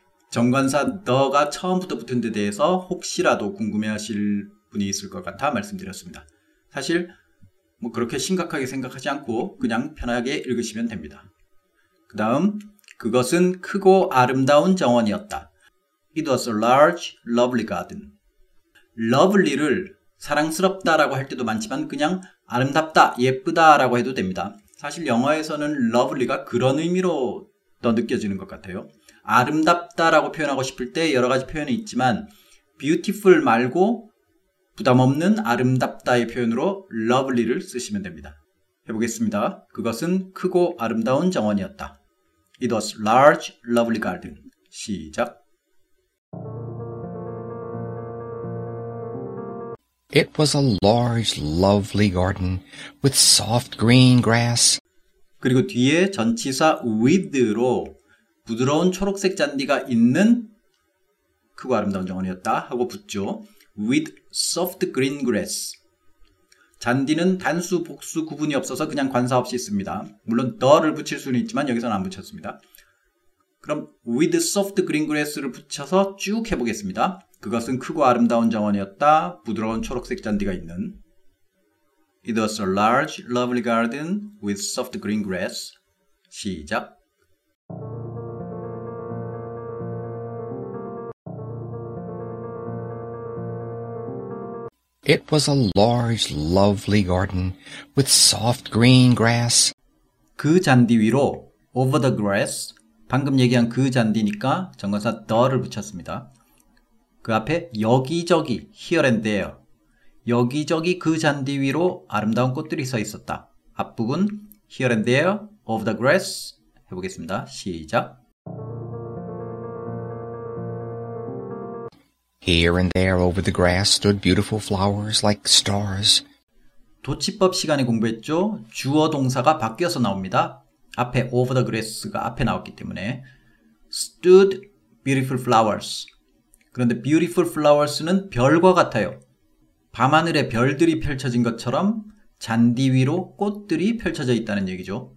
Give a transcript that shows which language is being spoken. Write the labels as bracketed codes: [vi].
[ko] 정관사 너가 처음부터 붙은 데 대해서 혹시라도 궁금해하실 분이 있을 것 같아 말씀드렸습니다. 사실 뭐 그렇게 심각하게 생각하지 않고 그냥 편하게 읽으시면 됩니다. 그 다음 그것은 크고 아름다운 정원이었다. [en] It was a large, lovely garden. [ko] Lovely를 사랑스럽다라고 할 때도 많지만 그냥 아름답다, 예쁘다라고 해도 됩니다. 사실 영어에서는 lovely가 그런 의미로 더 느껴지는 것 같아요. 아름답다라고 표현하고 싶을 때 여러 가지 표현이 있지만 beautiful 말고 부담 없는 아름답다의 표현으로 lovely를 쓰시면 됩니다. 해보겠습니다. 그것은 크고 아름다운 정원이었다. It was large, lovely garden. 시작! [en] It was a large, lovely garden with soft green grass. [ko] 그리고 뒤에 전치사 with로 부드러운 초록색 잔디가 있는 크고 아름다운 정원이었다 하고 붙죠. [en] With soft green grass. [ko] 잔디는 단수, 복수 구분이 없어서 그냥 관사 없이 씁니다. 물론 the를 붙일 수는 있지만 여기서는 안 붙였습니다. 그럼 with soft green grass 를 붙여서 쭉 해보겠습니다. 그것은 크고 아름다운 정원이었다. 부드러운 초록색 잔디가 있는. [en] It was a large, lovely garden with soft green grass. [ko] 시작. [en] It was a large, lovely garden with soft green grass. [ko] 그 잔디 위로 over the grass, 방금 얘기한 그 잔디니까 정관사 the를 붙였습니다. 그 앞에 여기저기 here and there 여기저기 그 잔디 위로 아름다운 꽃들이 서 있었다. 앞부분 here and there of the grass 해보겠습니다. 시작. [en] Here and there over the grass stood beautiful flowers like stars. [ko] 도치법 시간에 공부했죠. 주어 동사가 바뀌어서 나옵니다. 앞에 over the grass 가 앞에 나왔기 때문에 stood beautiful flowers. 그런데 beautiful flowers는 별과 같아요. 밤하늘에 별들이 펼쳐진 것처럼 잔디 위로 꽃들이 펼쳐져 있다는 얘기죠.